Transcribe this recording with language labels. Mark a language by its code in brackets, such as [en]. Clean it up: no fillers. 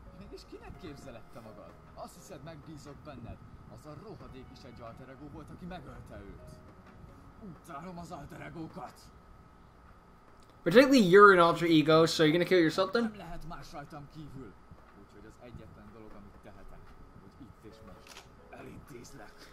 [hu] És kinek képzelette magad? Azt hiszed, megbízok benned? Az a rohadék is egy alter ego volt, aki megölte őt. Utálom az alter egókat! [en] Particularly you're an alter ego, so you're gonna kill yourself then? [hu] Nem lehet más rajtam kívül. Úgyhogy az egyetlen dolog, amit tehetek, hogy itt és most elintézlek.